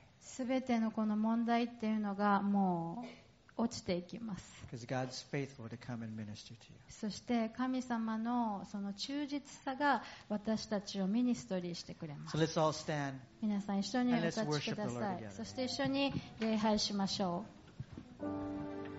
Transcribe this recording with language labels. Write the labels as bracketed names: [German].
[Japanese] 全てのこの問題っていうのがもう落ちていきます。 [English] Because God's faithful to come and minister to you. [Japanese] そして神様のその忠実さが私たちをミニストリーしてくれます。 [English] So let's all stand. [Japanese] 皆さん一緒にお立ちください。 そして一緒に礼拝しましょう。